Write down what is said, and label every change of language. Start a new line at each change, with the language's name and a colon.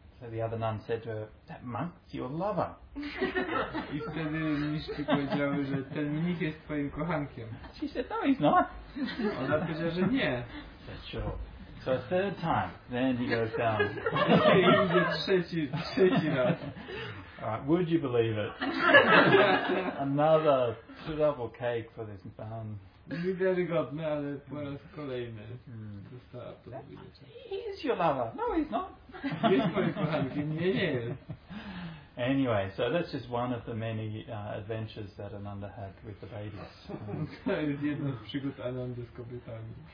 English: So the other nun said to her, that monk's your lover.
Polish: I wtedy mniszki powiedziały, że ten mnich jest twoim kochankiem.
English: She said, no, he's not.
Polish: Ona powiedziała, że nie.
English: Said, sure. So a third time, then he goes down.
Polish: I idzie trzeci raz.
English: Alright, would you believe it? Another double cake for this nun.
Polish: Niewiarygodne, ale po raz kolejny została to zbliżenie.
English: He is your lover. No, he's not.
Polish: Jest twoim kochankiem. Nie, nie jest.
English: Anyway, so that's just one of the many adventures that Ananda had with the babies.
Polish: To jest jedna z przygód Anandy z kobietami.